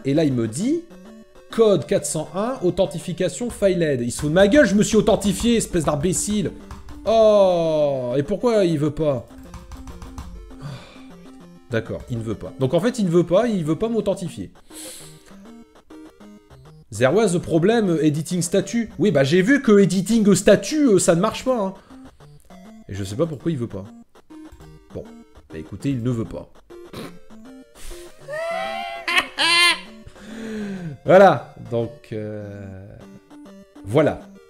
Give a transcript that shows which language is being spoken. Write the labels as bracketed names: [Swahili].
[French] Et là, il me dit code 401, authentification failed. Il se fout de ma gueule, je me suis authentifié, espèce d'imbécile. Oh, et pourquoi il veut pas? D'accord, il ne veut pas. Donc en fait, il ne veut pas m'authentifier. [English] There was a problem editing statue. [French] Oui, bah j'ai vu que [English] editing statue, [French] ça ne marche pas. Hein. Et je sais pas pourquoi il veut pas. Bon, bah écoutez, il ne veut pas. Voilà, donc... Voilà.